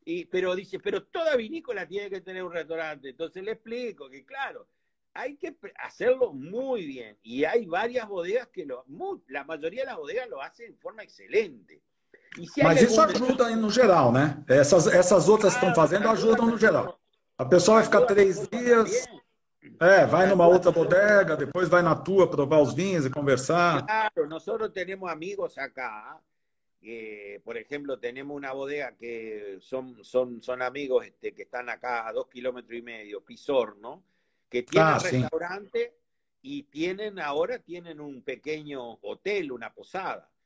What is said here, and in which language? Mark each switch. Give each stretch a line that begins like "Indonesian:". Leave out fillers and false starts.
Spanish: Pero dice, pero toda vinícola tiene que tener un restaurante. Entonces le explico que, claro, hay que hacerlo muy bien. Y hay varias bodegas que la mayoría de las bodegas lo hacen en forma excelente. Y si Mas eso ayuda en general, ¿no? Esas otras que están haciendo ayudan en general.
Portuguese: A pessoa vai ficar 3 días. Vai numa outra bodega, depois vai na tua provar os vinhos e conversar.
Spanish: Claro, nosotros tenemos amigos acá. Por ejemplo, tenemos una bodega que son amigos que están acá a 2,5 kilómetros, Pisorno, que tienen restaurante sí. Y ahora tienen un pequeño hotel, una posada.